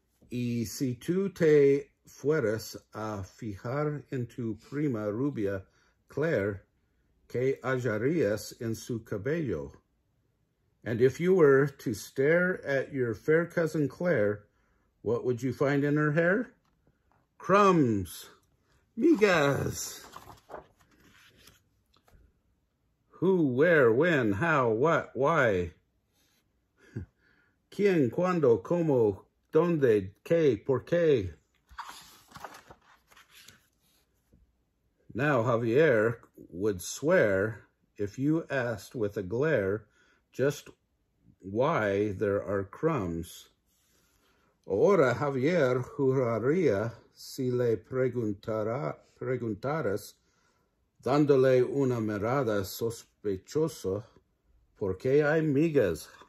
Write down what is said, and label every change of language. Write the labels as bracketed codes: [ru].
[es] Y si tú te fueras a fijar en tu prima rubia, Claire, ¿qué hallarías en su cabello? [en] And if you were to stare at your fair cousin, Claire, what would you find in her hair? Crumbs. Migas. Who, where, when, how, what, why? [es] ¿Quién, cuándo, cómo? ¿Dónde? ¿Qué? ¿Por qué? [en] Now Javier would swear, if you asked with a glare, just why there are crumbs. [es] Ahora Javier juraría si le preguntaras, dándole una mirada sospechosa, ¿por qué hay migas?